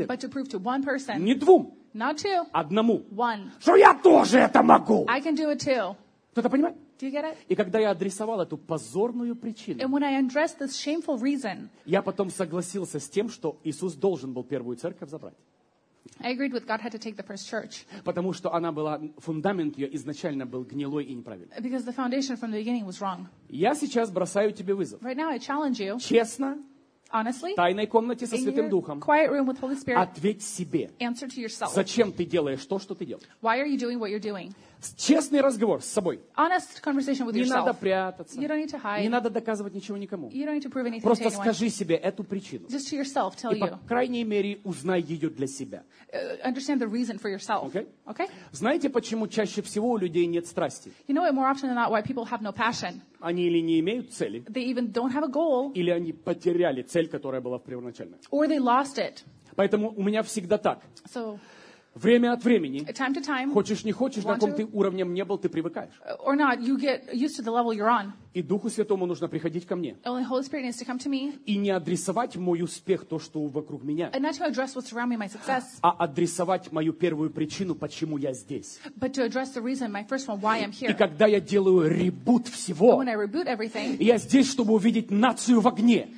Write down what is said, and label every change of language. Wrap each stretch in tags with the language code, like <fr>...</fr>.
<en>but to prove to one person,</en> <ru>не двум,</ru> <en>not two,</en> <ru>одному,</ru> <en>one,</en> <ru>что я тоже это могу.</ru> <en>I can do it too.</en> <ru>Кто-то понимает?</ru> <en>Do you get it?</en> <ru>И когда я адресовал эту позорную причину,</ru> <en>and when I addressed this shameful reason,</en> <ru>я потом согласился с тем, что Иисус должен был первую церковь забрать.</ru> <en>I agreed with God had to take the first church.</en> <ru>Потому что она была, фундамент ее изначально был гнилой и неправильный.</ru> <en>Because the foundation from the beginning was wrong.</en> <ru>Я сейчас бросаю тебе вызов.</ru> <en>Right now I challenge you.</en> <ru>Честно.</ru> <en>Honestly,</en> <ru>в тайной комнате со Святым Духом,</ru> <en>quiet room with Holy Spirit,</en> <ru>ответь себе,</ru> <en>answer to yourself,</en> <ru>зачем ты делаешь то, что ты делаешь.</ru> <en>Why are you doing what you're doing?</en> <ru>Честный разговор с собой.</ru> <en>Honest conversation with</en> <ru>не</ru> <en>yourself.</en> <ru>Надо прятаться.</ru> <en>You don't need to hide.</en> <ru>Не надо доказывать ничего никому.</ru> <en>You don't need to prove anything.</en> <ru>Просто</ru> <en>to anyone.</en> <ru>Скажи себе эту причину.</ru> <en>Just to yourself, tell</en> <ru>и, по крайней мере, узнай ее для себя.</ru> <en>Understand the reason for yourself. Okay? Okay?</en> <ru>Знаете, почему чаще всего у людей нет страсти?</ru> <en>You know more often than not why people have no passion?</en> <ru>Они или не имеют цели.</ru> <en>They even don't have a goal.</en> <ru>Или они потеряли цель, которая была в первоначальной.</ru> <en>Or they lost it.</en> <ru>Поэтому у меня всегда так.</ru> <en>So,</en> <ru>время от времени,</ru> <en>time to time,</en> <ru>хочешь не хочешь, на каком ты уровне не был, ты привыкаешь.</ru> <en>Or not, you get used to the level you're on.</en> <ru>И Духу Святому нужно приходить ко мне.</ru> <en>Only Holy Spirit needs to come to me.</en> <ru>И не адресовать мой успех, то, что вокруг меня.</ru> <en>And not to address what's around me, my success.</en> <ru>А адресовать мою первую причину, почему я здесь.</ru> <en>But to address the reason, my first one, why I'm here.</en> <ru>И когда я делаю ребут всего,</ru> <en>when I reboot everything,</en> <ru>я здесь, чтобы увидеть нацию в огне.</ru>